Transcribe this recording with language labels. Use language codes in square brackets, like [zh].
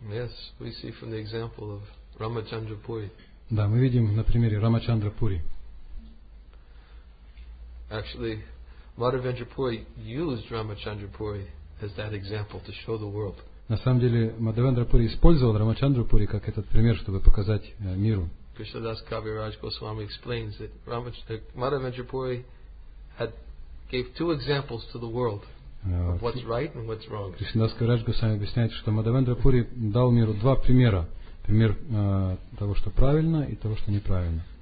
[en] Yes, we see from the example of Ramachandra Puri. [ru] Да, мы видим на примере Рамачандра Пури. [en] Actually, Madhavendra Puri used Ramachandra Puri as that example to show the world. [ru] На самом деле, Мадхавендра Пури использовал Рамачандру Пури как этот пример, чтобы показать миру. [en] Кришнадас Кавираж Госвами explains that Madhavendra Puri gave two examples to the world of what's right and what's wrong. [ru] Кришнадас Кавираж Госвами объясняет, что Мадхавендра Пури дал миру два примера: пример того, что правильно, и того, что неправильно.